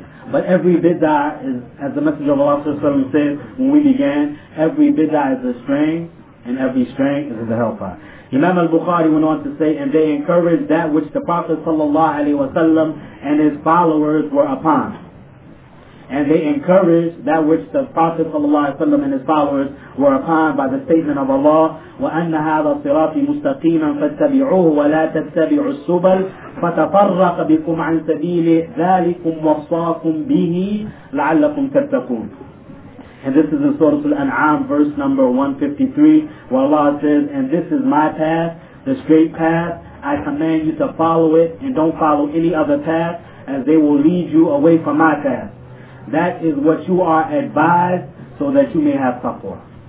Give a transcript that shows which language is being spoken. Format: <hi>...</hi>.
<en>But every bid'ah is, as the Messenger of Allah said when we began, every bid'ah is a strain, and every strain is a hellfire. Imam al-Bukhari went on to say, and they encouraged that which the Prophet ﷺ and his followers were upon. And they encouraged that which the Prophet ﷺ and his followers were upon by the statement of Allah,</en> <ar>وَأَنَّ هَذَا صِرَاطِ مُسْتَقِيمًا فَاتَّبِعُوهُ وَلَا تَتَّبِعُوا السُّبَلَ فَتَفَرَّقَ بِكُمْ عَنْ سَبِيلِ ذَلِكُمْ وَصَّاكُمْ بِهِ لَعَلَّكُمْ تَتَّقُونَ.</ar> <en>And this is in Surah Al-An'am, verse number 153, where Allah says, and this is my path, the straight path. I command you to follow it and don't follow any other path, as they will lead you away from my path. That is what you are advised, so that you may have taqwa.</en>